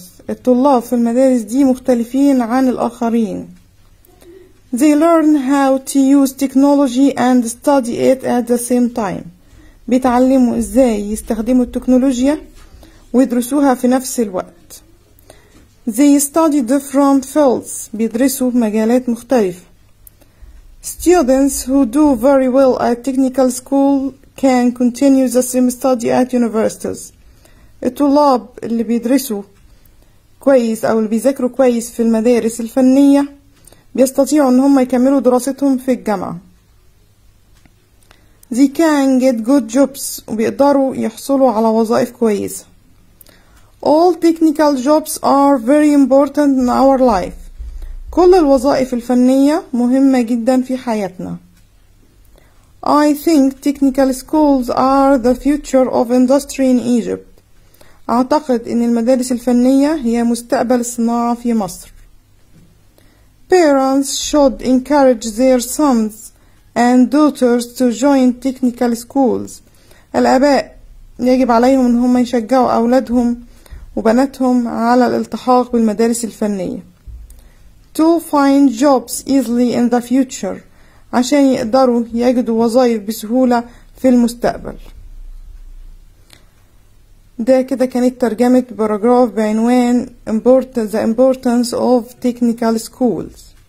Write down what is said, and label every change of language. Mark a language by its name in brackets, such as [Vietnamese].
[Arabic] الطلاب في المدارس دي مختلفين عن الآخرين. [English] They learn how to use technology and study it at the same time. [Arabic] بيتعلموا ازاي يستخدموا التكنولوجيا ويدرسوها في نفس الوقت. [English] They study different fields. [Arabic] بيدرسوا مجالات مختلفة. [English] Students who do very well at technical school can continue the same study at universities. [Arabic] الطلاب اللي بيدرسوا كويس او اللي بيذاكروا كويس في المدارس الفنية بيستطيعوا ان هم يكملوا دراستهم في الجامعة. [English] They can get good jobs. [Arabic] وبيقدروا يحصلوا على وظائف كويسة. [English] All technical jobs are very important in our life. [Arabic] كل الوظائف الفنية مهمة جدا في حياتنا. [English] I think technical schools are the future of industry in Egypt. [Arabic] أعتقد أن المدارس الفنية هي مستقبل الصناعة في مصر. [English] Parents should encourage their sons and daughters to join technical schools. [Arabic] الآباء يجب عليهم أن هم يشجعوا أولادهم وبناتهم على الالتحاق بالمدارس الفنية. [English] To find jobs easily in the future. [Arabic] عشان يقدروا يجدوا وظائف بسهولة في المستقبل. ده كده كانت ترجمة باراجراف بعنوان [English] The Importance of Technical Schools.